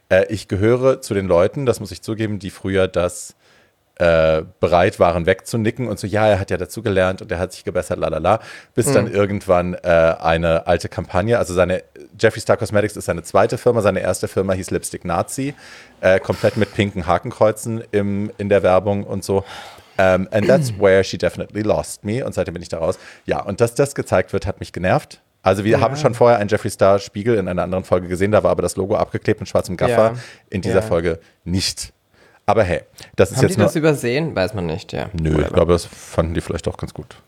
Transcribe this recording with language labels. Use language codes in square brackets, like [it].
[de] Ich gehöre zu den Leuten, das muss ich zugeben, die früher das bereit waren, wegzunicken und so, ja, er hat ja dazugelernt und er hat sich gebessert, lalala, bis dann irgendwann eine alte Kampagne, also seine Jeffree Star Cosmetics ist seine zweite Firma, seine erste Firma hieß Lipstick Nazi, komplett mit pinken Hakenkreuzen in der Werbung und so. [en] And that's where she definitely lost me. [de] Und seitdem bin ich da raus. Ja, und dass das gezeigt wird, hat mich genervt. Also wir haben schon vorher einen Jeffree Star Spiegel in einer anderen Folge gesehen. Da war aber das Logo abgeklebt mit schwarzem Gaffer. In dieser Folge nicht. Aber hey, das ist haben jetzt nur... Haben die das übersehen? Weiß man nicht, ja. Nö, ich glaube, das fanden die vielleicht auch ganz gut.